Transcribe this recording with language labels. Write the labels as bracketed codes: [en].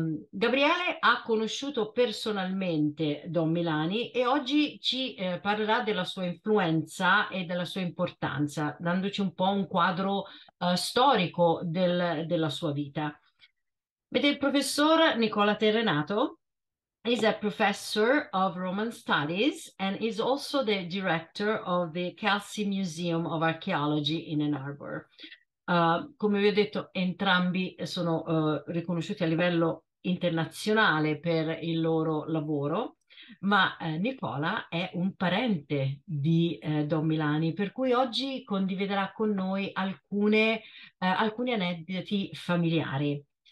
[it] Gabriele ha conosciuto personalmente Don Milani e oggi ci parlerà della sua influenza e della sua importanza, dandoci un po' un quadro storico della sua vita. Vede il professor [en] Nicola Terrenato is a professor of Roman Studies and is also the director of the Kelsey Museum of Archaeology in Ann Arbor. [it] Come vi ho detto, entrambi sono riconosciuti a livello internazionale per il loro lavoro, ma Nicola è un parente di Don Milani, per cui oggi condividerà con noi alcuni aneddoti familiari.